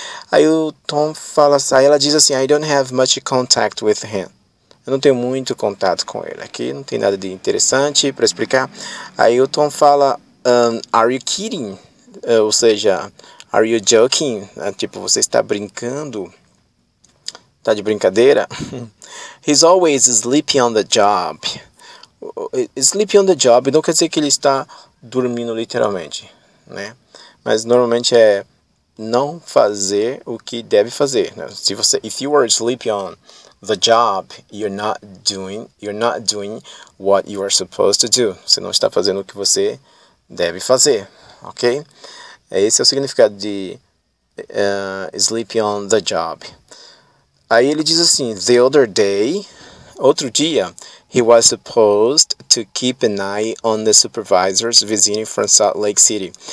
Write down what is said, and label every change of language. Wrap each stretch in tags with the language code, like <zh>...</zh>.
<pt>Aí o Tom fala assim, ela diz assim,</pt> <en>I don't have much contact with him.</en> <pt>Eu não tenho muito contato com ele aqui, não tem nada de interessante para explicar. Aí o Tom fala,</pt> <en>are you kidding?</en> <pt>Ou seja,</pt> <en>are you joking?</en> <pt>Tipo, você está brincando? Está de brincadeira?</pt> <en>He's always sleeping on the job. Sleeping on the job</en> <pt>não quer dizer que ele está dormindo literalmente, né? Mas normalmente é não fazer o que deve fazer. Né? Se você,</pt> <en>if you are sleeping on the job, you're not doing what you are supposed to do.</en> <pt>Você não está fazendo o que você deve fazer, ok? Esse é o significado de sleeping on the job. Aí ele diz assim,</pt> <en>the other day,</en> <pt>outro dia,</pt> <en>he was supposed to keep an eye on the supervisors visiting from Salt Lake City.</en>